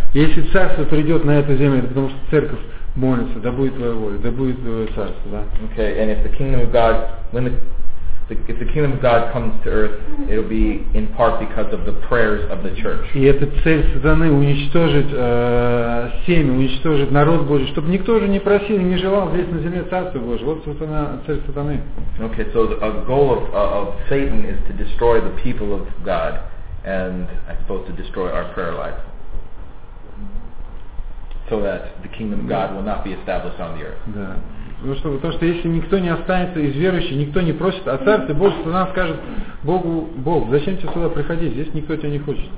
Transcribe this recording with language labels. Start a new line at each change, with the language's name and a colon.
Russian: Если царство придет на эту землю, это потому что церковь молится, да будет твоя воля, да будет твое царство, да.
English: Okay, and if the kingdom of God, if the kingdom of God comes to earth, it'll be in part because of the prayers of the church.
Russian: И это цель сатаны уничтожить семя, уничтожить народ Божий, чтобы никто же не просил, не желал здесь на земле царство Божие. Вот сатана, цель сатаны.
English: Okay, so the goal of Satan is to destroy the people of God, and I suppose to destroy our prayer life. So that the kingdom of God will not be established on the earth.
Russian: Да. То, что если никто не останется из верующих, никто не просит о царстве, Бог сатана скажет Богу, Бог, зачем тебе сюда приходить? Здесь никто тебя не хочет.